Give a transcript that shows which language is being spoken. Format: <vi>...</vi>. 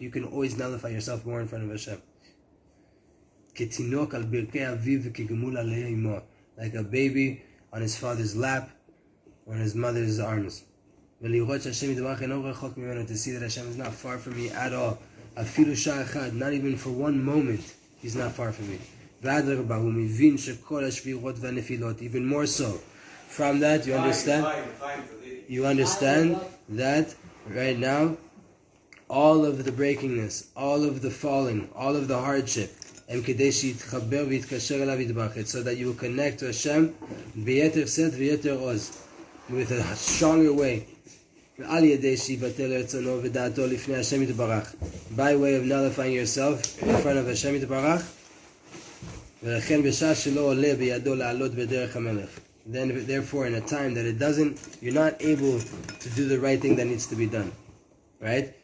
<en>You can always nullify yourself more in front of Hashem.</en> <he>Ketinok al birkei aviv v'kegemul alei imo.</he> <en>Like a baby on his father's lap or in his mother's arms.</en> <he>ולראות שהשם ידברך אינו רחוק ממנו,</he> <en>to see that Hashem is not far from me at all.</en> <he>אפילו שעה אחד,</he> <en>not even for one moment, he's not far from me.</en> <he>ואדרבה, הוא מבין שכל השבירות והנפילות,</he> <en>even more so. From that, you understand? You understand that right now, all of the breakingness, all of the falling, all of the hardship,</en> <he>הם כדי שיתחבר ויתקשר אליו ידברך,</he> <en>so that you will connect to Hashem</en> <he>ביתר סת ויתר עוז,</he> <en>with a stronger way.</en> <he>ועל ידי שיבטל רצונו ודעתו לפני השם יתברך.</he> <en>By way of nullifying yourself in front of השם יתברך.</en> <he>ולכן בשעה שלא עולה בידו לעלות בדרך המלך.</he> <en>Then therefore in a time that it doesn't, you're not able to do the right thing that needs to be done. Right?</en>